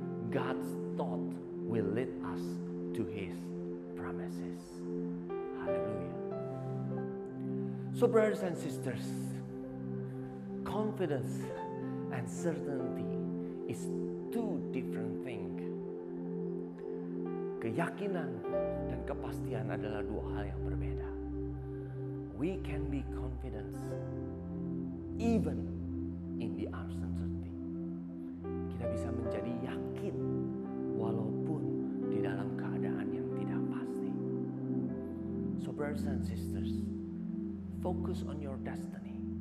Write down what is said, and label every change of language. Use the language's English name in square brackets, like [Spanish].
[English] God's thought will lead us to his promises. Hallelujah. So brothers and sisters, confidence and certainty is two different things. [Indonesian] keyakinan dan kepastian adalah dua hal yang berbeda. [English] We can be confident even in the uncertainty. [Indonesian] Kita bisa menjadi yakin walaupun di dalam keadaan yang tidak pasti. [English] So brothers and sisters, focus on your destiny.